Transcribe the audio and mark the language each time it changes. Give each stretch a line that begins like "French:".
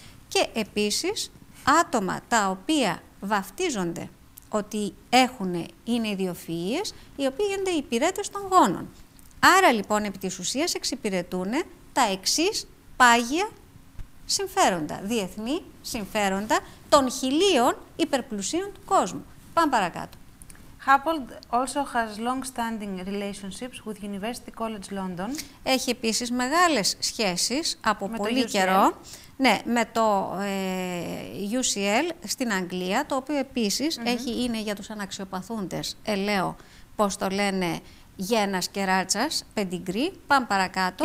Greek: Και επίσης, άτομα τα οποία βαφτίζονται ότι έχουν, είναι ιδιοφυΐες, οι οποίοι γίνονται υπηρέτες των γόνων. Άρα λοιπόν, επί της ουσίας εξυπηρετούν τα εξής πάγια συμφέροντα, διεθνή συμφέροντα των χιλίων υπερπλουσίων του κόσμου. Πάμε παρακάτω.
English: Happold also has long-standing relationships with University College London.
Greek: Έχει επίσης μεγάλες σχέσεις από με πολύ καιρό. Ναι, με το UCL στην Αγγλία, το οποίο επίσης είναι για τους αναξιοπαθούντες, ελαίο, πώς το λένε, γένας και ράτσας, pedigree. Πάμε παρακάτω.